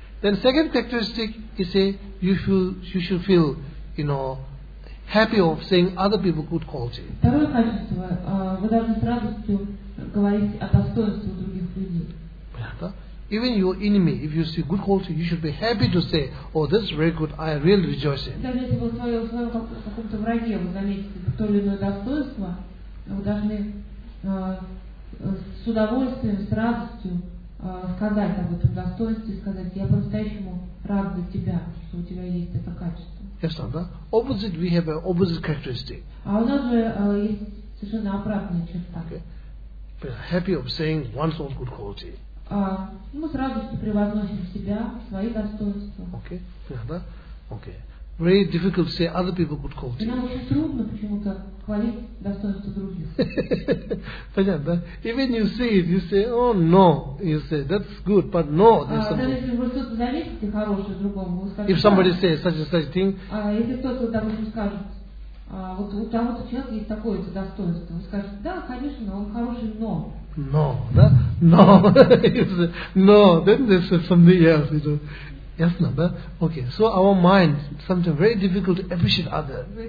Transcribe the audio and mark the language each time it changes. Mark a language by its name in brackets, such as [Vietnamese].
[English] Then second characteristic is a you should feel, you know, happy of saying other people good quality. [Russian] Второе качество, вы должны с радостью говорить о достоинстве других людей. Понятно? [English] Even your enemy, if you see good quality, you should be happy to say, oh, this is very good, I really rejoice in. [Russian] Даже если вы в каком-то враге вы заметите то или иное достоинство, вы должны с удовольствием, с радостью сказать об этом достоинстве, сказать, я по-настоящему рад за тебя, что у тебя есть это качество. [English] Yes, not that. Opposite, we have an opposite characteristic. [Russian] А у нас же есть совершенно обратная черта. [English] Okay. Happy of saying one's own good quality. [Russian] Мы с радостью превозносим себя, свои достоинства. [English] Okay. Yeah, that. Okay. Very difficult to say other people good quality. [Russian] Нам очень трудно почему-то хвалить достоинства других. Понятно, да? [English] Even you see it, you say, oh no. You say, that's good, but no. [Russian] Даже если вы что-то заметите хорошее другому, вы скажете, [English] if somebody says such and such thing, [Russian] если кто-то, допустим, скажет, вот у того-то человека есть такое-то достоинство, вы скажете, да, конечно, он хороший, но. [English] No, да? No. No, then there's something else, you know. Yes, no, but okay. So our mind something very difficult to appreciate other.